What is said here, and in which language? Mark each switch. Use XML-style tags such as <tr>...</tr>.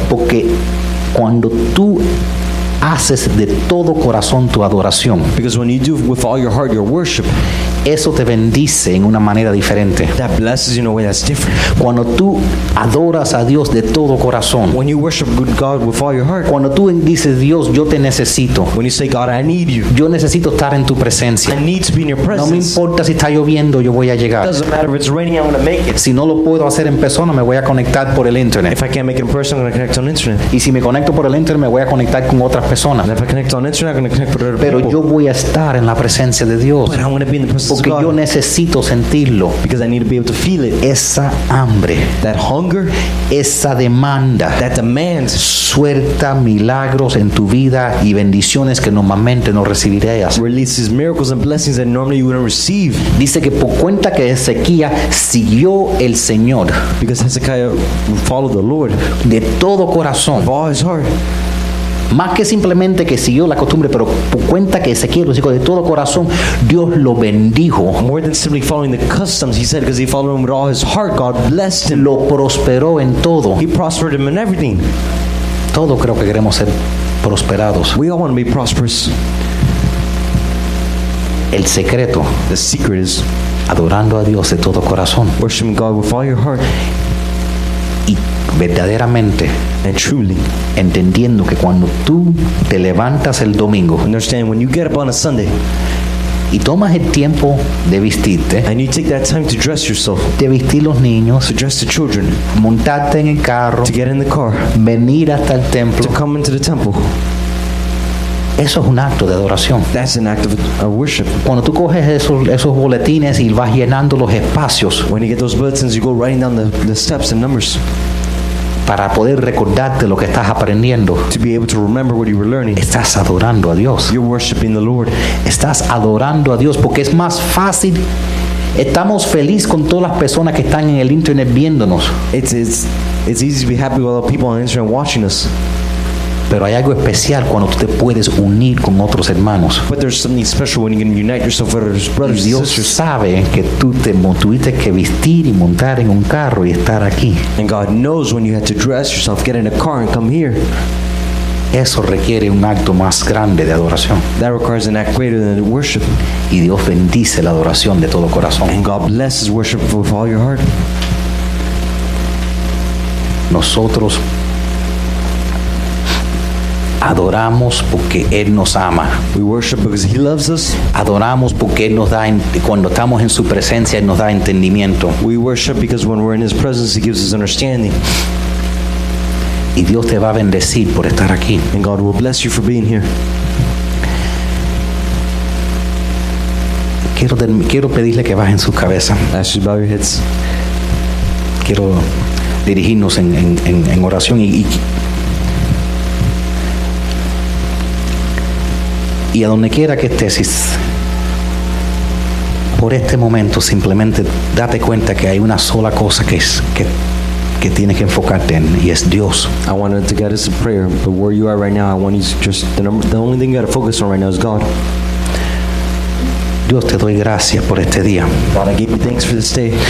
<es>Porque cuando tú haces de todo corazón tu adoración,</es> <en>because when you do with all your heart your worship,</en> <es>eso te bendice en una manera diferente.</es> <en>That blesses you in a way that's different.</en> <es>Cuando tú adoras a Dios de todo corazón,</es> <en>when you worship God with all your heart,</en> <es>cuando tú dices Dios, yo te necesito,</es> <en>when you say God, I need you,</en> <es>yo necesito estar en tu presencia,</es> <en>I need to be in your presence.</en> <es>No me importa si está lloviendo, yo voy a llegar.</es> <en>It doesn't matter if it's raining, I'm going to make it.</en> <es>Si no lo puedo hacer en persona, me voy a conectar por el internet.</es> <en>If I can't make it in person, I'm going to connect on internet.</en> <es>Y si me conecto por el internet, me voy a conectar con otras personas.</es> <en>And if I connect on internet, I'm going to connect with other</en> <es>pero</es> <en>people.</en> <es>Yo voy a estar en la presencia de Dios.</es> <en>But I'm going to be in the presence.</en> <es>Porque</es> <en>God,</en> <es>yo necesito sentirlo.</es> <en>Because I need to be able to feel it.</en> <es>Esa hambre.</es> <en>That hunger.</en> <es>Esa demanda.</es> <en>That demands.</en> <es>Suelta milagros en tu vida y bendiciones que normalmente no recibirías.</es> <en>Releases miracles and blessings that normally you wouldn't receive.</en> <es>Dice que por cuenta que Ezequías siguió el Señor.</es> <en>Because Hezekiah followed the Lord.</en> <es>De todo corazón.</es> <en>With all his heart.</en> <es>Más que simplemente que siguió la costumbre, pero por cuenta que Ezequiel lo dijo de todo corazón, Dios lo bendijo.</es> <en>More than simply following the customs, he said, because he followed him with all his heart, God blessed him.</en> <es>Lo prosperó en todo.</es> <en>He prospered him in everything.</en> <es>Todo creo que queremos ser prosperados.</es> <en>We all want to be prosperous.</en> <es>El secreto.</es> <en>The secret is</en> <es>adorando a Dios de todo corazón.</es> <en>Worshiping God with all your heart.</en> <es>Y verdaderamente,</es> <en>and truly,</en> <es>entendiendo que cuando tú te levantas el domingo,</es> <en>understand when you get up on a Sunday,</en> <es>y tomas el tiempo de vestirte,</es> <en>and you take that time to dress yourself,</en> <es>de vestir los niños,</es> <en>to dress the children,</en> <es>montarte en el carro,</es> <en>to get in the car,</en> <es>venir hasta el templo,</es> <en>to come into the temple.</en> <es>Eso es un acto de adoración.</es> <en>That's an act of worship.</en> <es>Cuando tú coges esos boletines y vas llenando los espacios,</es> <en>when you get those bulletins, you go writing down the steps and numbers,</en> <es>para poder recordarte lo que estás aprendiendo.</es> <en>To be able to remember what you were learning.</en> <es>Estás adorando a Dios.</es> <en>You're worshiping the Lord.</en> <es>Estás adorando a Dios porque es más fácil. Estamos felices con todas las personas que están en el internet viéndonos.</es> <en>It's easy to be happy with all the people on the internet watching us.</en> <es>Pero hay algo especial cuando tú te puedes unir con otros hermanos.</es> <en>But there's something special when you can unite yourself with others, brothers and sisters.</en> <es>Dios sabe que tú te tuviste que vestir y montar en un carro y estar aquí.</es> <en>And God knows when you had to dress yourself, get in a car and come here.</en> <es>Eso requiere un acto más grande de adoración.</es> <en>That requires an act greater than worship.</en> <es>Y Dios bendice la adoración de todo corazón.</es> <en>And God blesses worship with all your heart.</en> <es>Nosotros adoramos porque Él nos ama.</es> <en>We worship because He loves us.</en> <es>Adoramos porque Él nos da, cuando estamos en su presencia, Él nos da entendimiento.</es> <en>We worship because when we're in His presence, He gives us understanding.</en> <es>Y Dios te va a bendecir por estar aquí.</es> <en>And God will bless you for being here.</en> <es>Quiero pedirle que bajen sus cabezas.</es> <en>I should bow your heads.</en> <es>Quiero dirigirnos en oración y y a donde quiera que estés, por este momento simplemente date cuenta que hay una sola cosa que tienes que enfocarte en, y es Dios.</es> <en>I wanted to get us a prayer, but where you are right now, I want you to just, the only thing you got to focus on right now is God.</en> <es>Dios, te doy gracias por este día.</es> <en>God, I give you thanks for this day.</en>